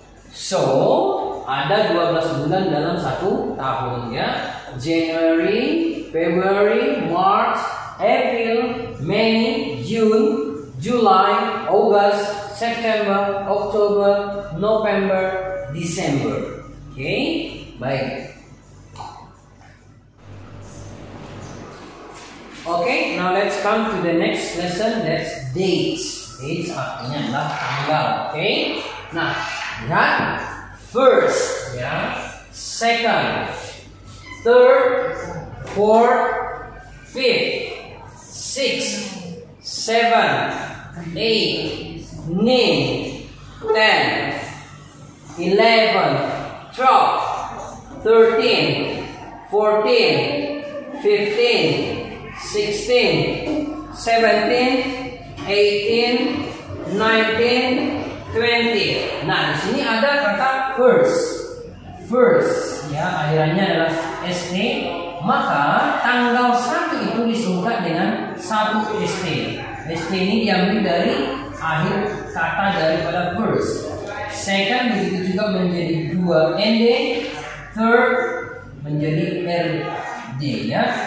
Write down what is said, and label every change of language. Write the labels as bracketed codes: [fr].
[id] So, ada 12 bulan dalam satu tahun, ya. [en] January, February, March, April, May, June, July, August, September, October, November, December. Okay? [id] Baik. [en] Okay, now let's come to the next lesson, that's dates. [id] Dates artinya adalah tanggal, okay? Nah, lihat. First, ya. [en] Second, third, fourth, fifth, six, seven, eight, nine, 10, 11, 12, 13, 14, 15, 16, 17, 18, 19, 20. [id] Nah, di sini ada kata first. First, ya, akhirannya adalah SD. Maka tanggal 1 itu disebutkan dengan 1 ST. ST ini diambil dari akhir kata daripada first. Second itu juga menjadi 2 ND. Third menjadi RD, ya.